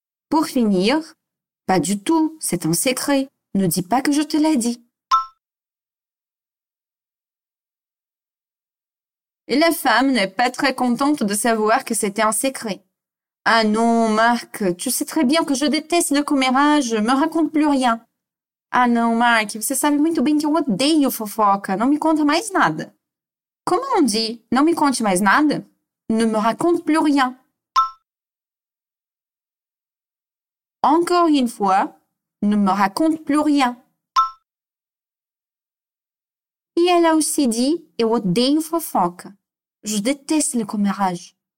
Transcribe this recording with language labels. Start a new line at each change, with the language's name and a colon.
French: Pour finir, pas du tout, c'est un secret. Ne dis pas que je te l'ai dit. Et la femme n'est pas très contente de savoir que c'était un secret. Ah non, Marc, tu sais très bien que je déteste le commérage, me raconte plus rien.
Portuguese: Ah non, Marc, você sabe muito bem que eu odeio fofoca, não me conta mais nada.
French: Comment on dit,
Portuguese: não me conte mais nada?
French: Ne me raconte plus rien. Encore une fois, ne me raconte plus rien. Et elle a aussi dit,
Portuguese: eu odeio fofoca.
French: Je déteste le commérage.